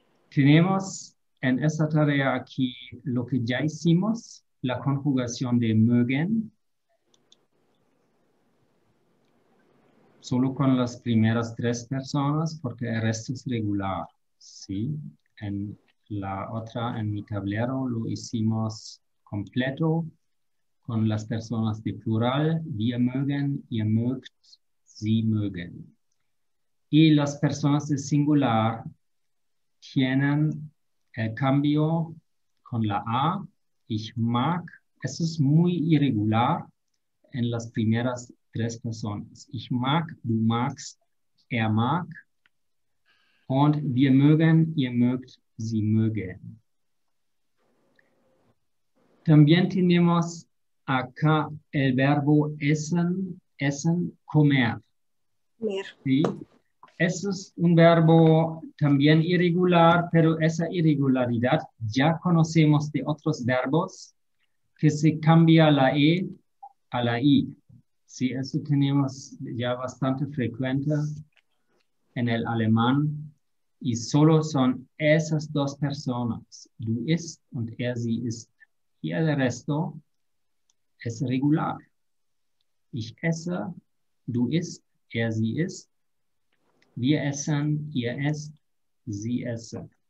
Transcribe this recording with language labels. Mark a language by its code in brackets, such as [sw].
[es] Tenemos en esta tarea aquí lo que ya hicimos, la conjugación de mögen, solo con las primeras tres personas, porque el resto es regular. Sí, en la otra, en mi tablero, lo hicimos completo con las personas de plural. [de] Wir mögen, ihr mögt, sie mögen. [es] Y las personas de singular tienen el cambio con la A. [de] Ich mag, [es] eso es muy irregular en las primeras tres personas. [de] Ich mag, du magst, er mag. Und wir mögen, ihr mögt, sie mögen. [es] También tenemos acá el verbo essen, comer. Comer. Sí. Es un verbo también irregular, pero esa irregularidad ya conocemos de otros verbos que se cambia la E a la I. Sí, eso tenemos ya bastante frecuente en el alemán. Y solo son esas dos personas, [de] du ist und er sie ist. [es] Y el resto es regular. [de] Ich esse, du isst, er sie isst. Wir essen, ihr esst, sie esse.